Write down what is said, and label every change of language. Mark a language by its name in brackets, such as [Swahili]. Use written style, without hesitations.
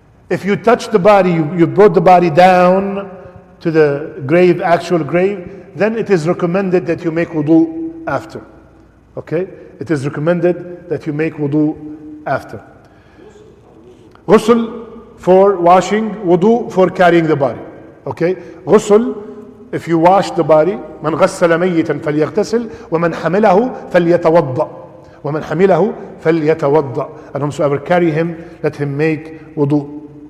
[English] If you touch the body, you brought the body down to the grave, actual grave, then it is recommended that you make wudu after. Okay? It is recommended that you make wudu after. Ghusl for washing, wudu for carrying the body. Okay? [Arabic] Ghusl, if you wash the body, من غسل ميتا فليغتسل ومن حمله فليتوضأ. ومن حمله فليتوضأ. [English] And whosoever carry him, let him make wudu.